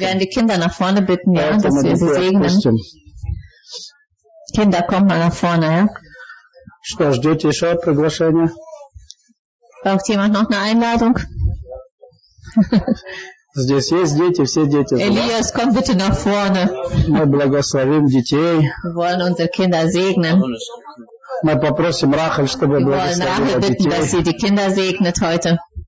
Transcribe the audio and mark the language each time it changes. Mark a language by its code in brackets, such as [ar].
[de] Wir werden die Kinder nach vorne bitten, ja, dass wir sie segnen. Kinder, kommt mal nach vorne, ja? [ru] Что, ждете еще приглашение? [de] Braucht jemand noch eine Einladung? [ru] Здесь есть дети, все дети. [de] Elias, komm bitte nach vorne. [ru] Мы благословим детей. [de] Wir wollen unsere Kinder segnen. [ru] Мы попросим Рахель, чтобы благословила детей. [de] Wir wollen Rahel bitten, dass sie die Kinder segnet heute.